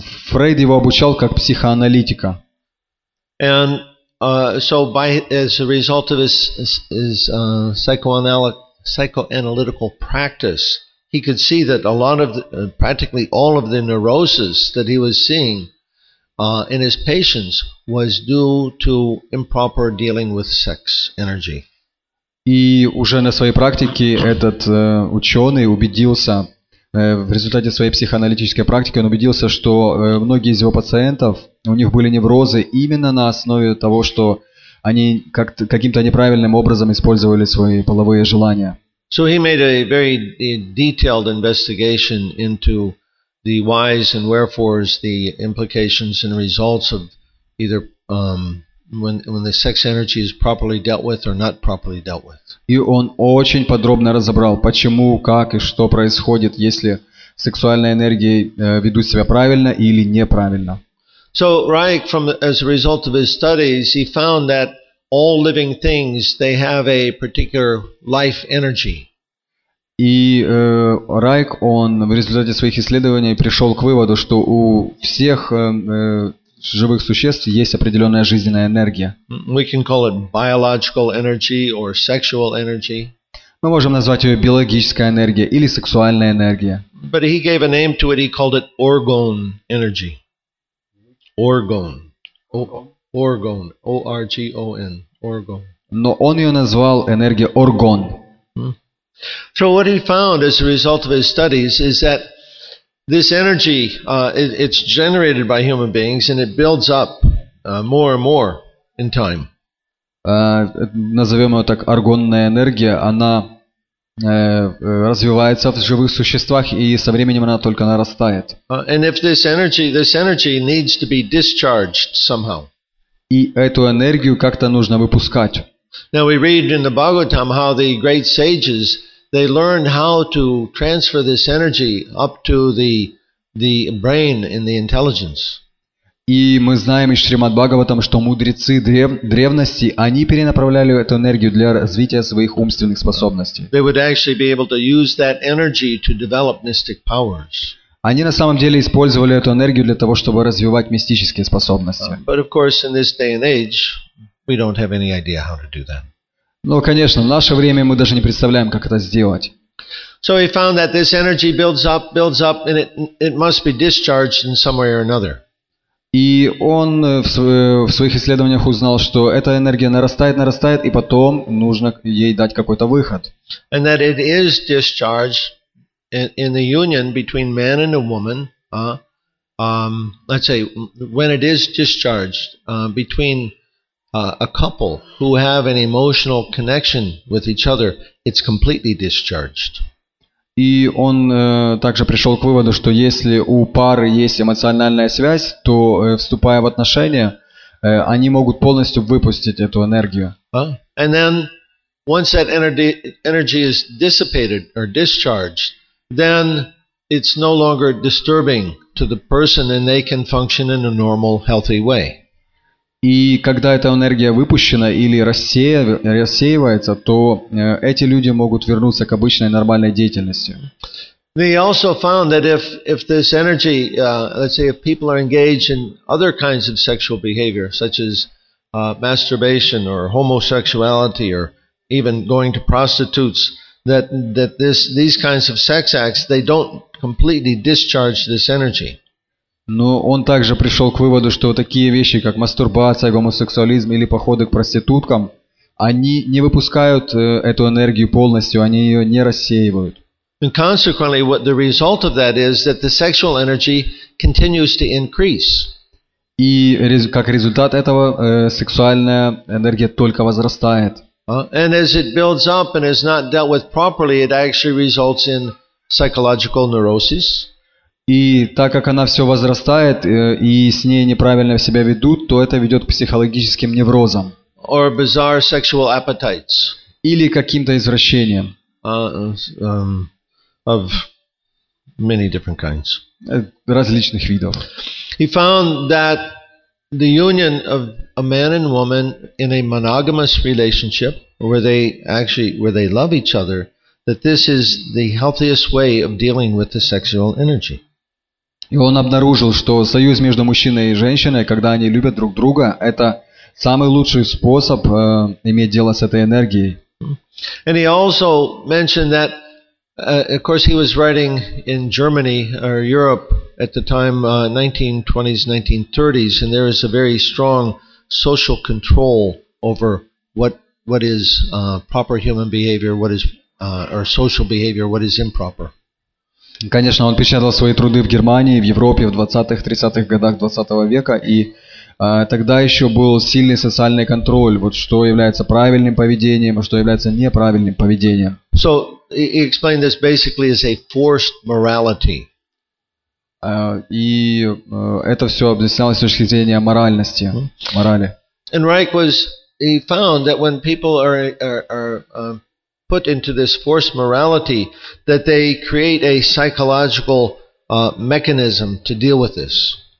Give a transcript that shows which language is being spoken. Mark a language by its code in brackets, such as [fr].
[ru] Фрейд его обучал как психоаналитика. [en] And so, by as a result of his psychoanalytical practice, he could see that a lot of practically all of the neurosis that he was seeing in his patients was due to improper dealing with sex energy. [ru] И уже на своей практике этот ученый убедился, в результате своей психоаналитической практики он убедился, что многие из его пациентов, у них были неврозы именно на основе того, что они каким-то неправильным образом использовали свои половые желания. [en] So he made a very detailed investigation into the whys and wherefores, the implications and results of either when the sex energy is properly dealt with or not properly dealt with. [ru] И он очень подробно разобрал, почему, как и что происходит, если сексуальная энергия ведут себя правильно или неправильно. [en] So Reich, as a result of his studies, he found that all living things, they have a particular life energy. [ru] И Райк, он в результате своих исследований пришел к выводу, что у всех живых существ есть определенная жизненная энергия. [en] We can call it biological energy or sexual energy. [ru] Мы можем назвать ее биологическая энергия или сексуальная энергия. [en] But he gave a name to it, he called it orgone energy. Orgon. Orgon. O-R-G-O-N. Orgon. [ru] Но он ее назвал энергия Оргон. [en] So what he found as a result of his studies is that this energy, it's generated by human beings and it builds up more and more in time. [ru] Назовем ее так, аргонная энергия, она развивается в живых существах и со временем она только нарастает. [en] And if this energy needs to be discharged somehow. [ru] И эту энергию как-то нужно выпускать. [en] Now we read in the Bhagavatam how the great sages, they learned how to transfer this energy up to the brain and the intelligence. [ru] И мы знаем из Шримад Бхагаватам, что мудрецы древности, они перенаправляли эту энергию для развития своих умственных способностей. [en] They would actually be able to use that energy to develop mystic powers. [ru] Они на самом деле использовали эту энергию для того, чтобы развивать мистические способности. [en] But of course, in this day and age, we don't have any idea how to do that. [ru] Ну, конечно, в наше время мы даже не представляем, как это сделать. [en] So he found that this energy builds up, and it must be discharged in some way or another. [ru] И он в своих исследованиях узнал, что эта энергия нарастает, и потом нужно ей дать какой-то выход. [en] And that it is discharged in the union between man and a woman. Let's say when it is discharged between a couple who have an emotional connection with each other, it's completely discharged. [ru] И он также пришел к выводу, что если у пары есть эмоциональная связь, то вступая в отношения, они могут полностью выпустить эту энергию. [en] And then, once that energy is dissipated or discharged, then it's no longer disturbing to the person and they can function in a normal, healthy way. [ru] И когда эта энергия выпущена или рассеивается, то эти люди могут вернуться к обычной нормальной деятельности. [en] They also found that if this energy, let's say if people are engaged in other kinds of sexual behavior, such as masturbation or homosexuality or even going to prostitutes, that these kinds of sex acts, they don't completely discharge this energy. [ru] Но он также пришел к выводу, что такие вещи, как мастурбация, гомосексуализм или походы к проституткам, они не выпускают эту энергию полностью, они ее не рассеивают. [en] And consequently, what the result of that is that the sexual energy continues to increase. [ru] И как результат этого сексуальная энергия только возрастает. [en] And as it builds up and is not dealt with properly, it actually results in psychological neurosis. [ru] И так как она все возрастает и с ней неправильно себя ведут, то это ведет к психологическим неврозам. [en] Or bizarre sexual appetites. [ru] Или каким-то извращениям. [en] Of many different kinds. [ru] Различных видов. [en] He found that the union of a man and woman in a monogamous relationship, where they love each other, that this is the healthiest way of dealing with the sexual energy. [ru] И он обнаружил, что союз между мужчиной и женщиной, когда они любят друг друга, это самый лучший способ иметь дело с этой энергией. [en] And he also mentioned that, of course, he was writing in Germany or Europe at the time, 1920s, 1930s, and there is a very strong social control over what is proper human behavior, what is or social behavior, what is improper. [ru] Конечно, он печатал свои труды в Германии, в Европе в 20-30-х годах 20 века, и тогда еще был сильный социальный контроль, вот что является правильным поведением, а что является неправильным поведением. [en] So, he explained this basically as a forced morality. [ru] Это все объяснялось с точки зрения моральности, морали. [en] And Reich found that when people are put into this forced morality, that they create a psychological mechanism to deal with this.